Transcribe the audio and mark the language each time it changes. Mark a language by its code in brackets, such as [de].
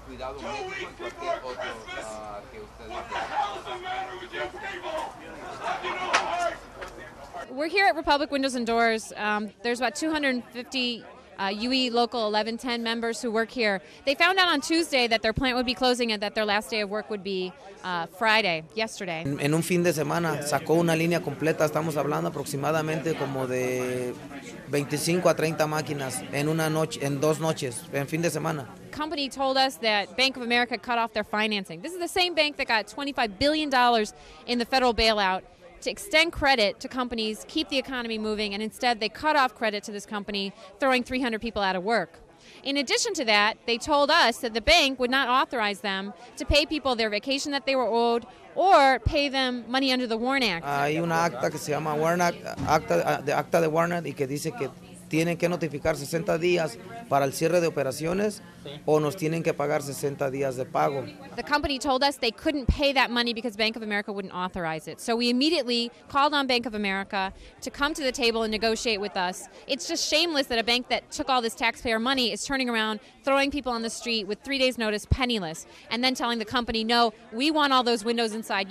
[en] 2 weeks before Christmas. What the hell is the matter with you people? Have you no heart? We're here at Republic Windows and Doors. There's about 250. UE Local 1110 members who work here. They found out on Tuesday that their plant would be closing and that their last day of work would be Friday, yesterday. [es] En un fin de semana sacó una línea completa, estamos hablando aproximadamente como de 25 a 30 máquinas en una noche, en dos noches, en fin de semana. [en] Company told us that Bank of America cut off their financing. This is the same bank that got $25 billion in the federal bailout to extend credit to companies, keep the economy moving, and instead they cut off credit to this company, throwing 300 people out of work. In addition to that, they told us that the bank would not authorize them to pay people their vacation that they were owed or pay them money under the Warn Act. [es] Hay una acta que se llama Warn Act, acta de Warn Act, y que dice que tienen que notificar 60 días para el cierre de operaciones o nos tienen que pagar 60 días de pago. [en] The company told us they couldn't pay that money because Bank of America wouldn't authorize it. So we immediately called on Bank of America to come to the table and negotiate with us. It's just shameless that a bank that took all this taxpayer money is turning around, throwing people on the street with 3 days' notice, penniless, and then telling the company, no, we want all those windows inside.